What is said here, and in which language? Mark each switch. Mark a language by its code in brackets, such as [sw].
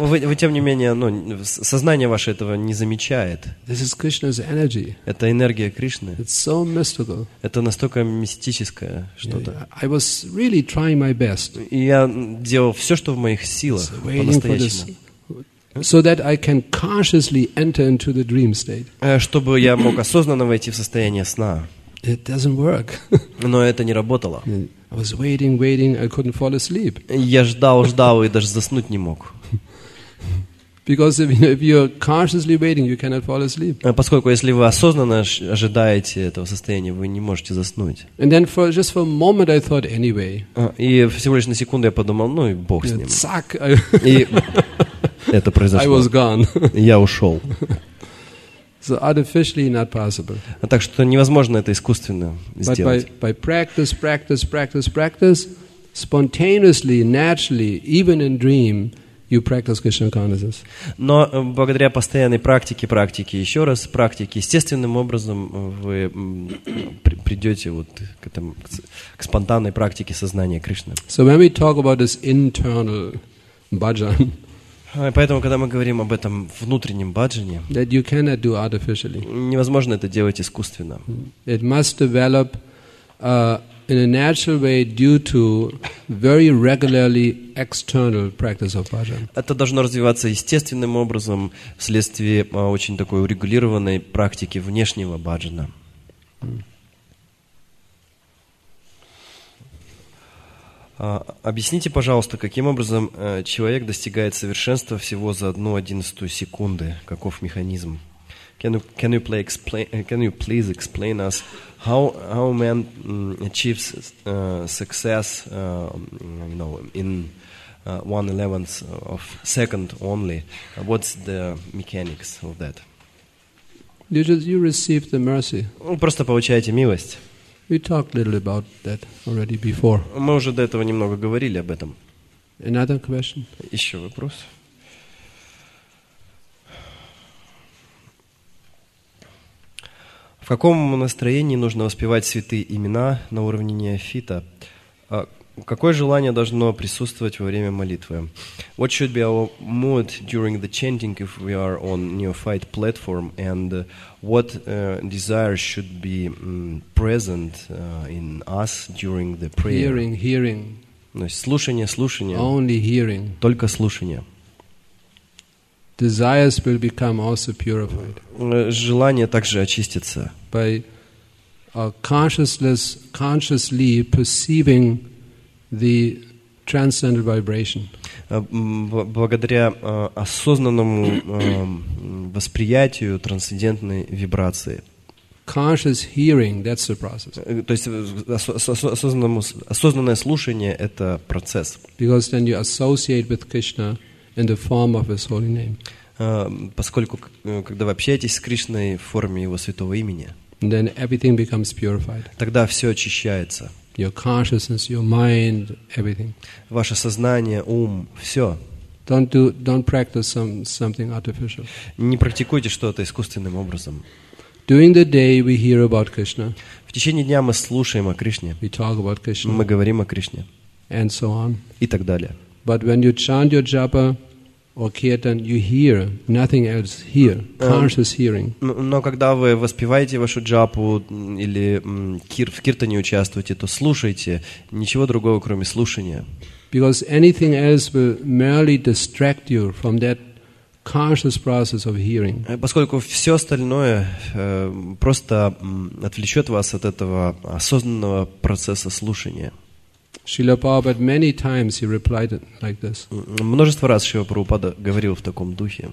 [ru] вы тем не менее, сознание ваше этого не замечает. [en] This is Krishna's energy. [ru] Это энергия Кришны. [en] It's so mystical. [ru] Это настолько мистическое что-то. [en] I was really trying my best. [ru] Я делал все, что в моих силах, по-настоящему. [en] So that I can consciously enter into the dream state. [ru] Чтобы я мог осознанно войти в состояние сна. [en] It doesn't work. [ru] Но это не работало. [en] I was waiting, I couldn't fall asleep. [ru] Я ждал и даже заснуть не мог. [en] Because if you're consciously waiting, you cannot fall asleep. [ru] Поскольку если вы осознанно ожидаете этого состояния, вы не можете заснуть. [en] And then just for a moment I thought anyway. [ru] И всего лишь на секунду я подумал, ну и бог с ним. Цак. Это произошло. [en] I was gone. [ru] Я ушел. [en] So artificially not possible. [ru] Так что невозможно это искусственно сделать. [en] But by practice, spontaneously, naturally, even in dream, you practice Krishna consciousness. [ru] Но благодаря постоянной практике, еще раз практике, естественным образом вы придете вот к этому, к спонтанной практике сознания Кришны. [en] So when we talk about this internal bhajan. [ru] Поэтому, когда мы говорим об этом внутреннем баджане, [en] that you cannot do artificially. [ru] Невозможно это делать искусственно. [en] It must develop in a natural way due to very regularly external practice of bhajan. [ru] Это должно развиваться естественным образом вследствие очень такой урегулированной практики внешнего баджана. Объясните, пожалуйста, каким образом человек достигает совершенства всего за 1/11 секунды? Каков механизм? [en] Can you please explain us how man achieves success in 1/11 of second only? What's the mechanics of that? You receive the mercy. [ru] Просто получаете милость. [en] We talked a little about that already before. [ru] Мы уже до этого немного говорили об этом. [en] Another question? [ru] Еще вопрос. В каком настроении нужно воспевать святые имена на уровне неофита? Какое желание должно присутствовать во время молитвы? [en] What should be our mood during the chanting if we are on neophyte platform, and what desire should be present in us during the prayer? Hearing. [ru] То есть слушание. [en] Only hearing. [ru] Только слушание. [en] Desires will become also purified. [ru] Желание также очистится. [en] By consciously perceiving the transcendental vibration. [ru] Благодаря осознанному восприятию трансцендентной вибрации. [en] Conscious hearing, that's the process. [ru] То есть осознанное слушание – это процесс. [en] Because then you associate with Krishna in the form of His holy name. [ru] поскольку когда вы общаетесь с Кришной в форме Его святого имени, [en] then everything becomes purified. [ru] Тогда все очищается. [en] Your consciousness, your mind, everything. [ru] Ваше сознание, ум, все. [en] Don't practice something artificial. [ru] Не практикуйте что-то искусственным образом. [en] During the day we hear about Krishna. [ru] В течение дня мы слушаем о Кришне. [en] We talk about Krishna. [ru] Мы говорим о Кришне. [en] And so on. [ru] И так далее. [en] But when you chant your japa or kirtan, you hear nothing else. Hear conscious hearing. [ru] Но когда вы воспеваете вашу джапу или в киртане участвуете, то слушайте ничего другого, кроме слушания. [en] Because anything else will merely distract you from that conscious process of hearing. [ru] Поскольку все остальное просто отвлечет вас от этого осознанного процесса слушания. [en] Srila Prabhupada many times he replied like this. [ru] Множество раз Шрила Прабхупада говорил в таком духе.